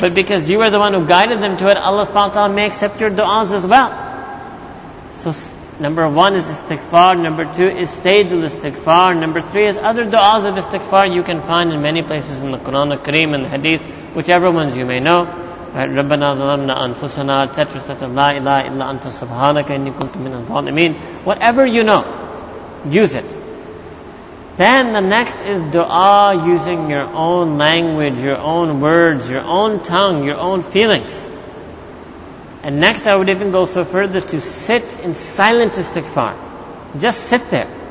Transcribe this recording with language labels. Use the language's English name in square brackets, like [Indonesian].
[English] But because you are the one who guided them to it, Allah subhanahu wa ta'ala may accept your du'as as well. So number one is istighfar. Number two is sayyidul istighfar. Number three is other du'as of istighfar you can find in many places in the Quran, the Kareem, and the Hadith, whichever ones you may know. [Arabic] ربنا ظلمنا أنفسنا لا إله إلا أنت سبحانك إني كنت من الظالمين. [English] Whatever you know, use it. Then the next is dua using your own language, your own words, your own tongue, your own feelings. And next I would even go so further to sit in silent istighfar. Just sit there.